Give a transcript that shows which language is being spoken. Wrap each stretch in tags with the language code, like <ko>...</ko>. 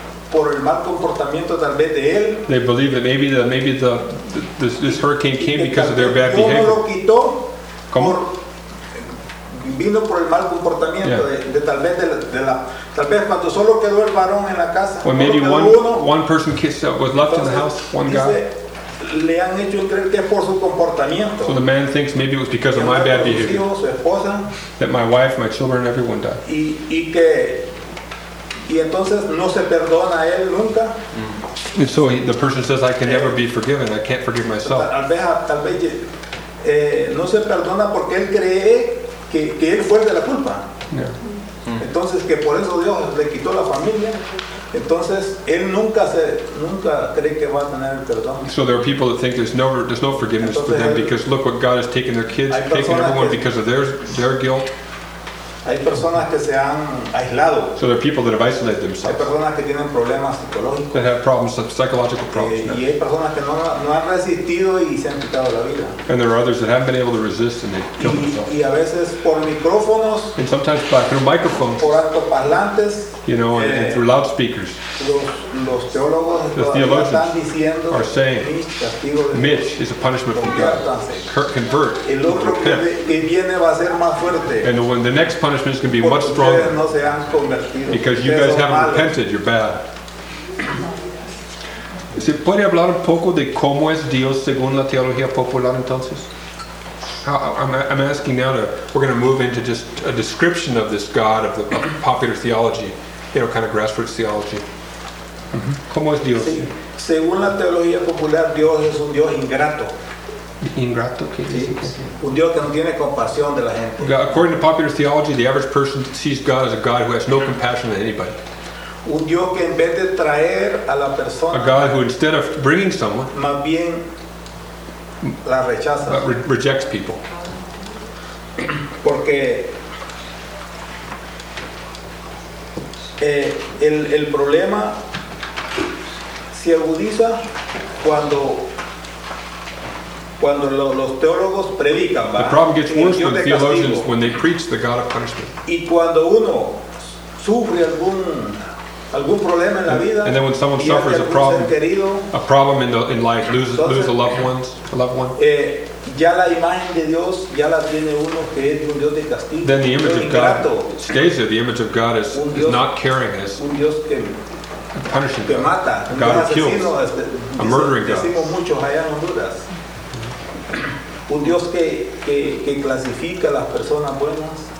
<en>They believe that maybe this hurricane came because of their bad behavior.</en> <es>¿Cómo? Vino por el mal comportamiento de tal vez de la tal vez cuando solo quedó el varón en la casa.</es> <en>Well, maybe one person was left in the house, one</en> <es>dice,</es> <en>guy.</en> <es>Le han hecho creer que es por su comportamiento.</es> <en>So the man thinks maybe it was because of my bad behavior.</en> <es>Hijos, su esposa,</es> <en>that my wife, my children, everyone died.</en> <es>Y entonces no se perdona a él nunca.</es> <en>Mm. And so the person says, I can never be forgiven. I can't forgive myself.</en> <es>Tal vez no se perdona porque él cree que él fue de la culpa.</es> <en>Yeah.</en> <es>Entonces que por eso Dios le quitó la familia. Entonces, él nunca se, nunca cree que va a tener el perdón.</es> <en>So there are people that think there's no forgiveness for them because look what God has taken their kids, taken everyone because of their guilt.</en> <es>Hay personas que se han aislado.</es> <en>So there are people that have isolated themselves.</en> <es>Hay personas que tienen problemas psicológicos.</es> <en>That have problems, psychological problems.</en> <es>Y hay personas que no han resistido y se han quitado la vida.</es> <en>And there are others that haven't been able to resist and they kill themselves.</en> <es>Y a veces por micrófonos.</es> <en>And sometimes through microphones.</en> <es>Por altoparlantes.</es> <en>You know, and through loudspeakers.</en> <es>Los teólogos</es> <en>the theologians</en> <es>están diciendo,</es> <en>are saying, Mitch is a punishment from God. Convert.</en> <es>El otro que viene va a ser más fuerte.</es> <en>And the next punishment is going to be much stronger</en> <es>no se han convertido.</es> <en>Because you guys haven't</en> <es>malos.</es> <en>Repented, you're bad.</en> <es>¿Se puede hablar un poco de cómo es Dios según la teología popular entonces?</es> <en>I'm asking now we're going to move into just a description of this God of popular theology, you know, kind of grassroots theology.</en> <es>Mm-hmm. ¿Cómo es Dios? Sí. Según la teología popular, Dios es un Dios ingrato. Ingrato, ¿qué sí. Un Dios que no tiene compasión de la gente.</es> <en>God, according to popular theology, the average person sees God as a God who has no compassion on anybody.</en> <es>Un Dios que en vez de traer a la persona,</es> <en>a God who instead of bringing someone,</en> <es>más bien la rechaza,</es> <en>rejects people.</en> <es>Porque el problema se agudiza cuando los teólogos predican,</es> <en>the problem gets worse when theologians, when they preach the God of punishment.</en> <es>Y cuando uno sufre algún problema en la vida,</es> <en>and then when someone suffers a problem in life, lose a loved one,</en> <es>ya la imagen de Dios ya la tiene uno que es un Dios de castigo.</es> <en>Then the image of God stays there. The image of God is not caring. Is</en> <es>un Dios que</es> <en>punishes.</en> <es>Que mata.</es> <en>God kills. A murdering God.</en> <es>Decimos mucho allá en Honduras. Un Dios que clasifica las personas buenas.</es>